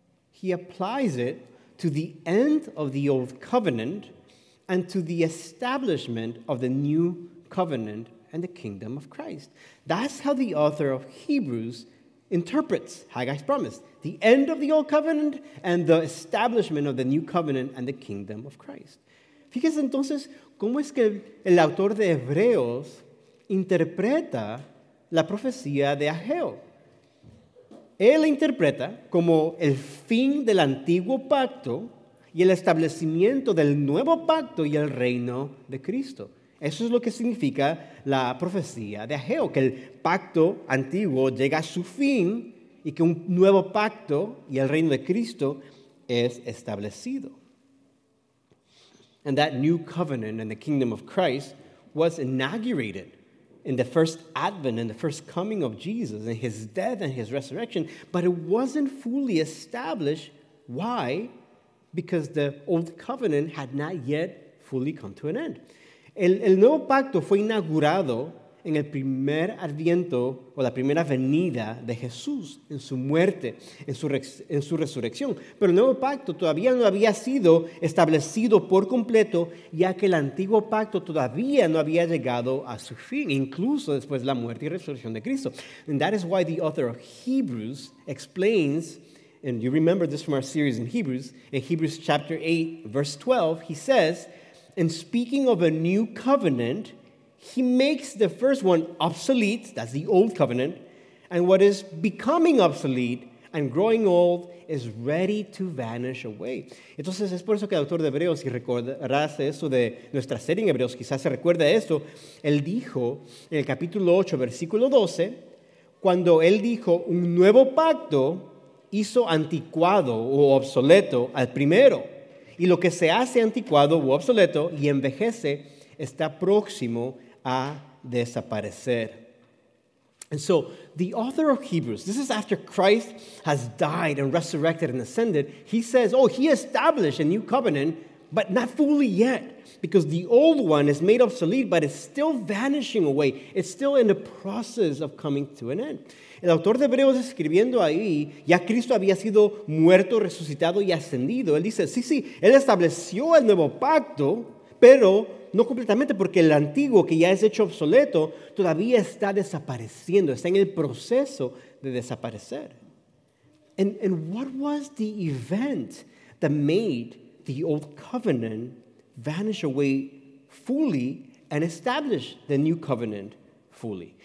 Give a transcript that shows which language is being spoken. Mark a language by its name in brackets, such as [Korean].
[English] He applies it to the end of the old covenant and to the establishment of the new covenant and the kingdom of Christ. That's how the author of Hebrews interprets Haggai's promise, the end of the old covenant and the establishment of the new covenant and the kingdom of Christ. [Spanish] Fíjense entonces cómo es que el autor de Hebreos interpreta la profecía de Ageo. Él interpreta como el fin del antiguo pacto y el establecimiento del nuevo pacto y el reino de Cristo. Eso es lo que significa la profecía de Ageo, que el pacto antiguo llega a su fin y que un nuevo pacto y el reino de Cristo es establecido. [English] And that new covenant and the kingdom of Christ was inaugurated in the first advent and the first coming of Jesus and his death and his resurrection, but it wasn't fully established. Why? Because the old covenant had not yet fully come to an end. [Spanish] El nuevo pacto fue inaugurado en el primer adviento o la primera venida de Jesús, en su muerte, en su resurrección. Pero el nuevo pacto todavía no había sido establecido por completo, ya que el antiguo pacto todavía no había llegado a su fin, incluso después de la muerte y resurrección de Cristo. [English] And that is why the author of Hebrews explains, and you remember this from our series in Hebrews, in Hebrews chapter 8, verse 12, he says, in speaking of a new covenant, he makes the first one obsolete, that's the old covenant, and what is becoming obsolete and growing old is ready to vanish away. [Spanish] Entonces, es por eso que el autor de Hebreos, si recordarás eso de nuestra serie en Hebreos, quizás se recuerda esto, él dijo en el capítulo 8, versículo 12, cuando él dijo, un nuevo pacto hizo anticuado o obsoleto al primero, y lo que se hace anticuado o obsoleto y envejece está próximo a desaparecer. [English] And so, the author of Hebrews, this is after Christ has died and resurrected and ascended, he says, oh, he established a new covenant, but not fully yet, because the old one is made obsolete, but it's still vanishing away. It's still in the process of coming to an end. [Spanish] El autor de Hebreos escribiendo ahí, ya Cristo había sido muerto, resucitado y ascendido. Él dice, sí, él estableció el nuevo pacto, pero no completamente, porque el antiguo, que ya es hecho obsoleto, todavía está desapareciendo, está en el proceso de desaparecer. [English] And what was the event that made the old covenant vanish away fully and establish the new covenant fully?